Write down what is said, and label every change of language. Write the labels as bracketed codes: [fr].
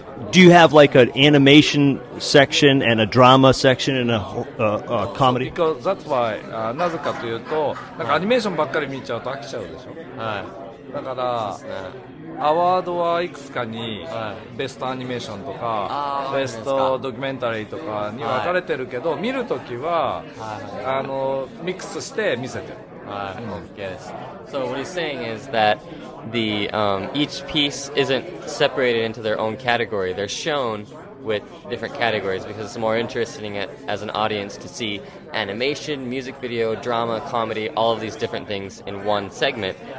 [en] Do you have like an animation section and a drama section and a comedy? Because that's why, [ja] なぜかというと、なんかアニメーションばっかり見ちゃうと飽きちゃうでしょ。だから、 アワードはいくつかにベストアニメーションとかベストドキュメンタリーとかに分かれてるけど、見るときはミックスして見せてる。 [en] I guess. So what he's saying is that the each piece isn't separated into their own category. They're shown with different categories because it's more interesting as an audience to see animation, music video, drama, comedy, all of these different things in one segment.